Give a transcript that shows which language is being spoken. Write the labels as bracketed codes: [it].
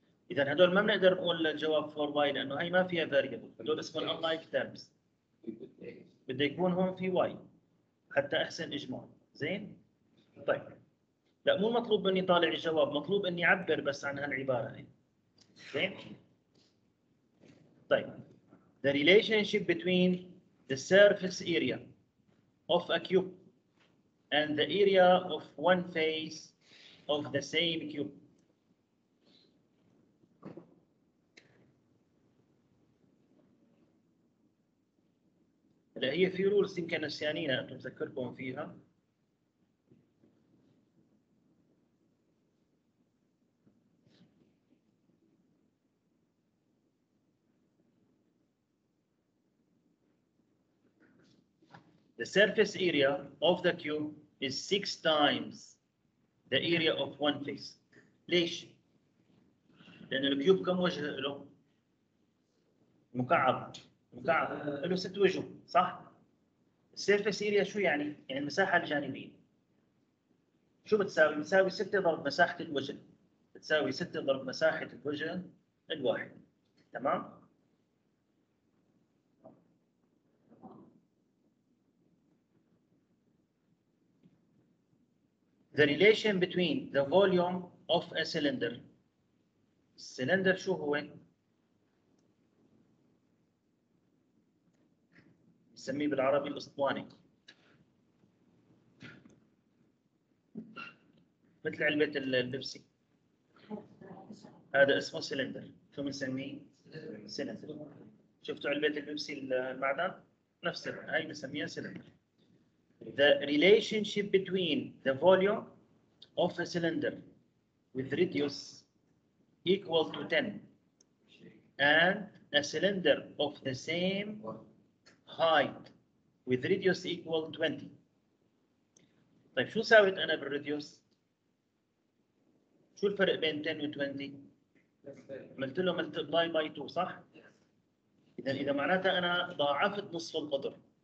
[ar] إذا هدول ما بنقدر نقول الجواب 4y لأنه هي ما فيها variable، هدول اسمهم unlike terms. بده يكون هون في y حتى أحسن إجماع، زين؟ طيب. لا مو مطلوب مني طالع الجواب، مطلوب إني أعبر بس عن هالعبارة هي. زين؟ طيب. [en] The relationship between the surface area of a cube and the area of one face of the same cube. [ar] لا هي في رولز يمكن نسيانينها انتم تذكركم فيها. [en] The surface area of the cube is six times the area of one face. [ar] ليش؟ لأن الكيوب كم وجه له؟ مكعب. مكعب له ست وجوه صح؟ السيرفس اريا شو يعني؟ يعني المساحه الجانبيه. شو بتساوي؟ بتساوي 6 ضرب مساحه الوجه. بتساوي 6 ضرب مساحه الوجه الواحد. [en] تمام؟ The relation between the volume of a cylinder. [ar] السلندر شو هو؟ نسميه بالعربي الاسطواني. مثل علبة البيبسي. هذا اسمه سلندر. شو بنسميه؟ سلندر. شفتوا علبة البيبسي المعدن؟ نفس هاي بنسميها سلندر. [en] The relationship between the volume of a cylinder with radius equal to 10 and a cylinder of the same height with radius equal 20. [ar] طيب شو ساويت انا بالراديوس؟ شو الفرق بين 10 و 20؟ عملت له ملتبلاي باي 2 صح؟ اذا معناتها انا ضاعفت نصف القدر.